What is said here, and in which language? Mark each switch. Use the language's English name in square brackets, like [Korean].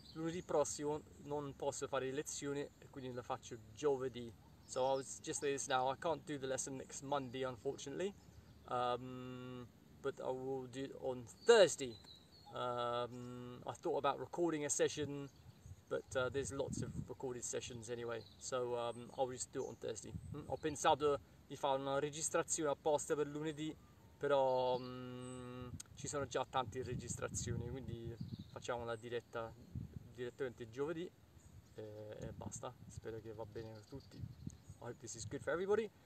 [Italian] Lunedì prossimo non posso fare lezione, quindi la faccio giovedì. [English] So I was just saying this now, I can't do the lesson next Monday, unfortunately. But I will do it on Thursday. I thought about recording a session, but there's lots of recorded sessions anyway, so I'll just do it on Thursday. [Italian] Ho pensato di fare una registrazione apposta per lunedì, però ci sono già tante registrazioni, quindi facciamo la diretta direttamente giovedì e basta. Spero che va bene per tutti. [English] I hope this is good for everybody.